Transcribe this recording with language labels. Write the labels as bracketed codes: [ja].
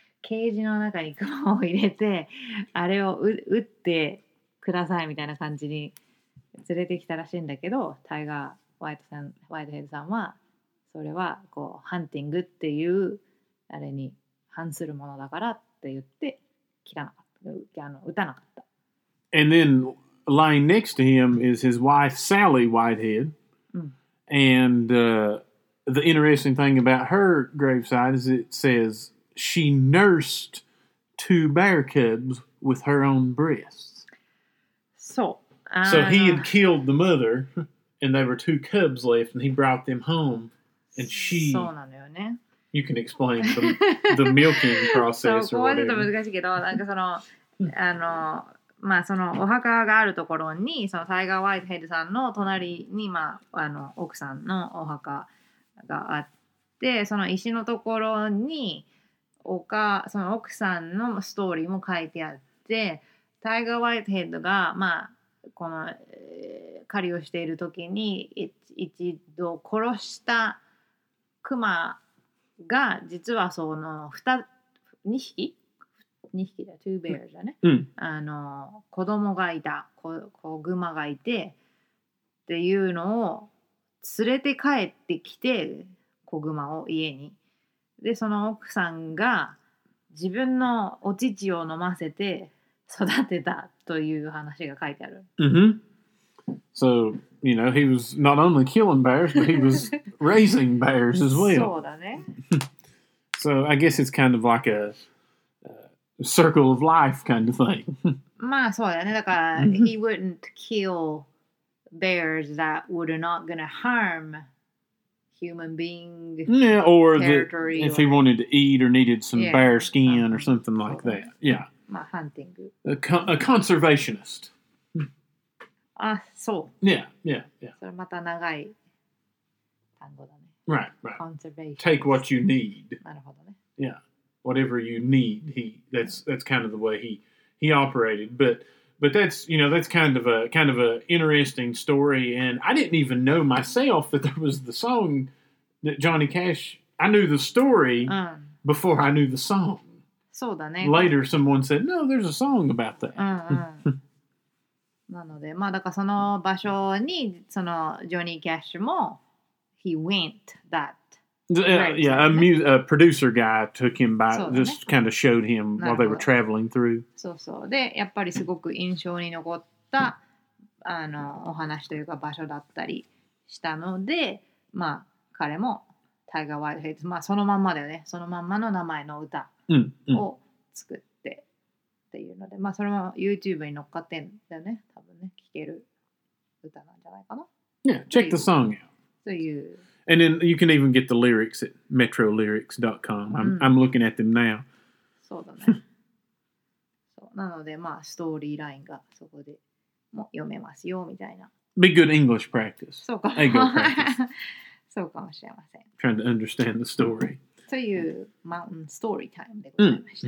[ja] ケージの中にクマを入れて、あれを撃ってくださいみたいな感じに連れてきたらしいんだけど、タイガー・ワイトさん、ワイトヘッドさんは、それはこうハンティングっていうあれに反するものだからって言って切らなかった、あの撃たなかった。 [en] And then lying next to him is his wife Sally Whitehead. And the interesting thing about her graveside is it says she nursed 2 bear cubs with her own breasts. So, so he had killed the mother, and there were 2 cubs left, and he brought them home. And she, [ja] そうなのよね。 [en] You can explain the milking process or whatever. [ja] そう、ここはちょっと難しいけど、なんかその、あの、まあそのお墓があるところに、そのタイガー・ワイトヘッドさんの隣に、まあ、あの奥さんのお墓があって、その石のところに、その奥さんのストーリーも書いてあって、タイガー・ワイトヘッドが、まあ、この、狩りをしているときに、一度殺した、クマが実はその 2匹だ、 [en] 2 bears [ja] だね、うん、あの子供がいた、こうグマがいてっていうのを連れて帰ってきて、子グマを家に、でその奥さんが自分のお乳を飲ませて育てたという話が書いてある。 [en] So, you know, he was not only killing bears, but he was raising bears as well. So, I guess it's kind of like a circle of life kind of thing. [ja] まあそうだね。だから、 [en] he wouldn't kill bears that were not going to harm human being territory. If he wanted to eat or needed some bear skin or something like that. Yeah. まあ、hunting. A conservationist. [ja] あ、そう。 [en] Yeah. [ja] それまた長い単語だね。 [en] Right. Conservation. Take what you need. [ja] なるほどね。 [en] Yeah. Whatever you need, that's kind of the way he operated. But that's, you know, that's kind of a interesting story. And I didn't even know myself that there was the song that Johnny Cash. I knew the story before I knew the song. [ja] そうだね。 [en] Later, someone said, "No, there's a song about that." [ja] なので、まあだからその場所に、そのジョニー・キャッシュも、 [en] he went that. Yeah, a producer guy took him by,、ね、just kind of showed him while they were traveling through. [ja] そうそう。で、やっぱりすごく印象に残ったあのお話というか場所だったりしたので、まあ彼もタイガー・ワイルドヘッド、まあそのまんまだよね、そのまんまの名前の歌を作って。っていうので、まあそれも YouTube に乗っかってんだよね、多分ね、聴ける歌なんじゃないかな。 [en] Yeah, check the song out. [ja] そういう。 [en] And then you can even get the lyrics at metrolyrics.com. I'm looking at them now. [ja] そうだね。そう、なので、まあストーリーラインがそこでも読めますよみたいな。 [en] Be good English practice. [ja] そうか。英語 practice. そうかもしれません。 [en] Trying to understand the story. [ja] そういうマウンテンストーリータイムでございました。